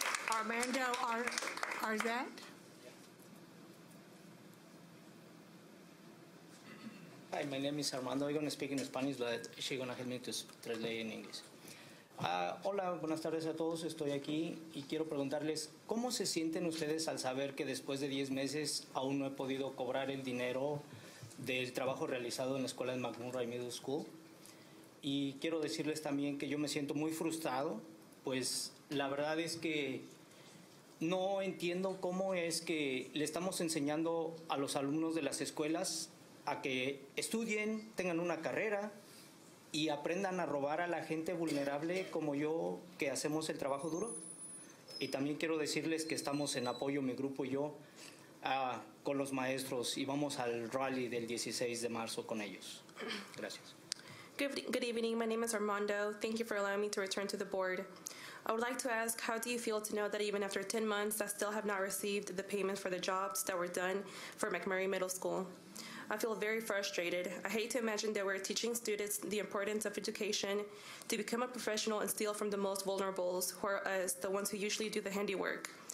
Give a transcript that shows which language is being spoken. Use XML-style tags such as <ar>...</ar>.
<en>Armando Arzat. Hi, my name is Armando. I'm going to speak in Spanish, but she's going to help me to translate in English.</en> <es>Hola, buenas tardes a todos. Estoy aquí y quiero preguntarles, ¿cómo se sienten ustedes al saber que después de 10 meses aún no he podido cobrar el dinero del trabajo realizado en la escuela de McMurray Middle School? Y quiero decirles también que yo me siento muy frustrado, pues la verdad es que no entiendo cómo es que le estamos enseñando a los alumnos de las escuelas a que estudien, tengan una carrera y aprendan a robar a la gente vulnerable como yo, que hacemos el trabajo duro. Y también quiero decirles que estamos en apoyo, mi grupo y yo, con los maestros, y vamos al rally del 16 de marzo con ellos. Gracias.</es> <en>Good evening. My name is Armando. Thank you for allowing me to return to the board. I would like to ask, how do you feel to know that even after 10 months, I still have not received the payments for the jobs that were done for McMurray Middle School? I feel very frustrated. I hate to imagine that we're teaching students the importance of education to become a professional and steal from the most vulnerable, who are us, the ones who usually do the handiwork.</en>